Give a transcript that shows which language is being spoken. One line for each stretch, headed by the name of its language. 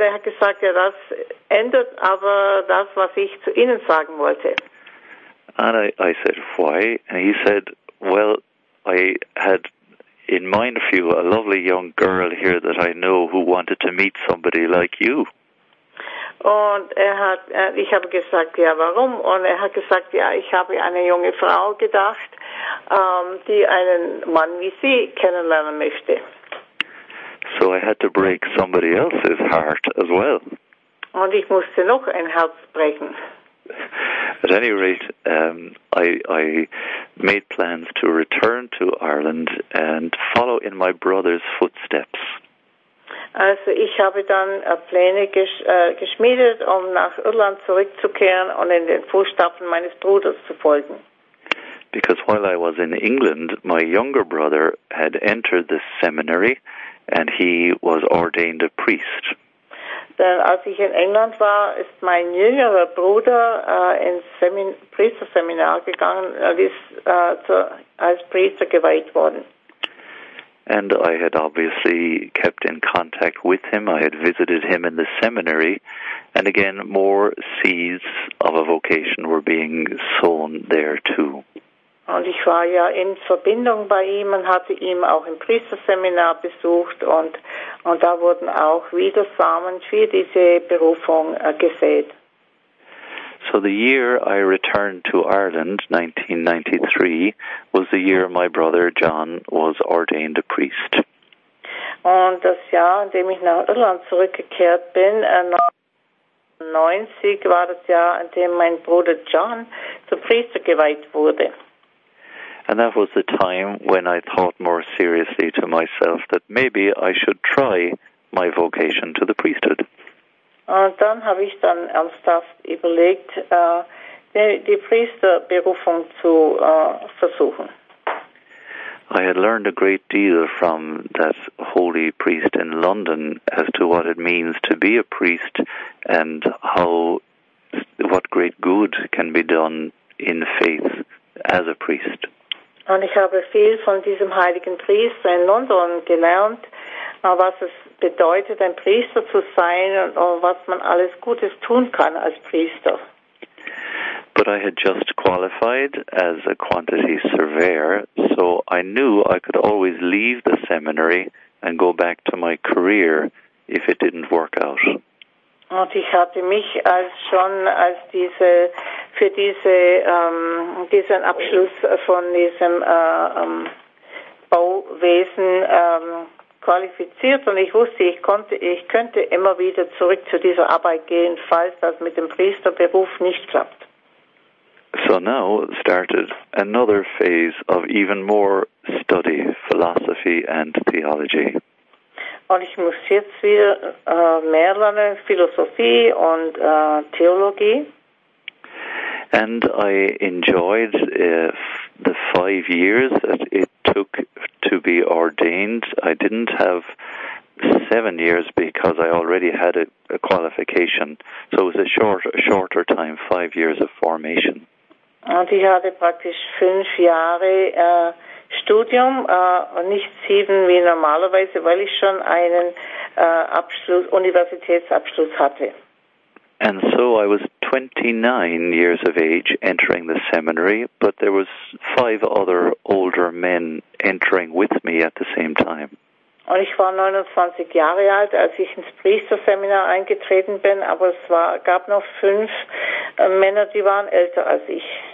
German: Er hat gesagt, ja, das ändert aber das, was ich zu Ihnen sagen wollte.
English: And I said, why? And he said, well, I had in mind for you, a lovely young girl here that I know who wanted to meet somebody like you.
German: Und ich habe gesagt, ja, warum? Und er hat gesagt, ja, ich habe eine junge Frau gedacht, die einen Mann wie sie kennenlernen möchte.
English: So I had to break somebody else's heart as well.
German: Und ich musste noch ein Herz brechen.
English: At any rate, I made plans to return to Ireland and follow in my brother's footsteps.
German: Also ich habe dann Pläne geschmiedet, um nach Irland zurückzukehren und in den Fußstapfen meines Bruders zu folgen.
English: Because while I was in England, my younger brother had entered the seminary and he was ordained a priest.
German: Denn als ich in England war, ist mein jüngerer Bruder ins Priesterseminar gegangen und ist als Priester geweiht worden.
English: And I had obviously kept in contact with him. I had visited him in the seminary. And again, more seeds of a vocation were being sown there too.
German: Und ich war ja in Verbindung bei ihm und hatte ihn auch im Priesterseminar besucht. Und da wurden auch wieder Samen für diese Berufung gesät.
English: So the year I returned to Ireland, 1993, was the year my brother John was ordained a priest.
German: Und das Jahr, in dem ich nach Irland zurückgekehrt bin, 1990, war das Jahr, in dem mein Bruder John zum Priester geweiht wurde.
English: And that was the time when I thought more seriously to myself that maybe I should try my vocation to the priesthood.
German: Und dann habe ich dann ernsthaft überlegt, die Priesterberufung zu versuchen.
English: I had learned a great deal from that holy priest in London as to what it means to be a priest and how what great good can be done in faith as a priest.
German: Und ich habe viel von diesem heiligen Priester in London gelernt, was es bedeutet, ein Priester zu sein und was man alles Gutes tun kann als Priester.
English: But I had just qualified as a quantity surveyor, so I knew I could always leave the seminary and go back to my career if it didn't work out.
German: Und ich hatte mich diesen Abschluss von diesem Bauwesen qualifiziert und ich wusste, ich könnte immer wieder zurück zu dieser Arbeit gehen, falls das mit dem Priesterberuf nicht klappt.
English: So now started another phase of even more study, philosophy and theology.
German: Und ich muss jetzt wieder mehr lernen, Philosophie und Theologie.
English: And I enjoyed the 5 years that it took to be ordained. I didn't have 7 years because I already had a qualification. So it was a shorter time, 5 years of formation.
German: Und ich hatte praktisch 5 Jahre Studium, nicht 7 wie normalerweise, weil ich schon einen Universitätsabschluss hatte.
English: And so I was 29 years of age entering the seminary, but there was 5 other older men entering with me at the same time.
German: Und ich war 29 Jahre alt, als ich ins Priesterseminar eingetreten bin, aber es gab noch 5 Männer, die waren älter als ich.